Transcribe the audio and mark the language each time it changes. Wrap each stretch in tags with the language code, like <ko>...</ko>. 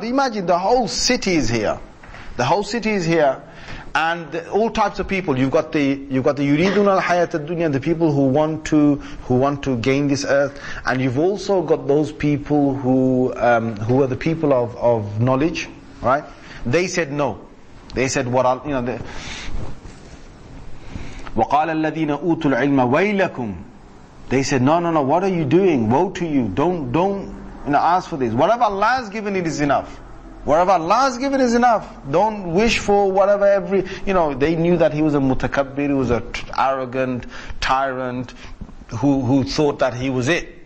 <en>Imagine, the whole city is here. The whole city is here. And all types of people. You've got the yuridun al-hayat al-dunya, the people who want to gain this earth. And you've also got those people who are the people of knowledge, right? They said no. They said what? You know, the</en> <ar>وَقَالَ الَّذِينَ أُوتُوا الْعِلْمَ وَيْلَكُمْ.</ar> <en>They said, no, what are you doing? Woe to you. Don't ask for this. Whatever Allah has given, it is enough. Whatever Allah has given is enough. Don't wish for whatever every... You know, they knew that he was a mutakabbir, he was an arrogant tyrant who thought that he was it.</en>